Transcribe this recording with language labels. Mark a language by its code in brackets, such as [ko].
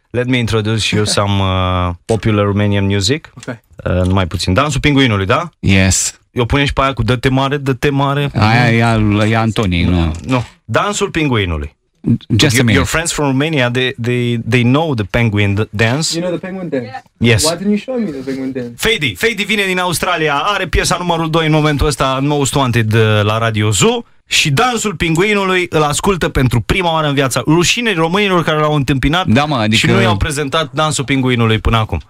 [en] Let me introduce you some popular Romanian music. Okay. [ro] Numai puțin. Dansul pinguinului, da? [en] Yes. [ro] Eu pune și pe aia cu dă-te mare, dă-te mare. Aia e Antonii, nu. No. Dansul pinguinului. [en] Just a minute. Your friends from Romania, they know the penguin dance. You know the penguin dance? Yes. Why didn't you show me the penguin dance? [ro] Fady vine din Australia, are piesa numărul 2 în momentul ăsta, Most Wanted la Radio Zoo. Și dansul pinguinului îl ascultă pentru prima oară în viața. Rușine românilor care l-au întâmpinat, da, mă, adică... și nu i-au prezentat dansul pinguinului până acum.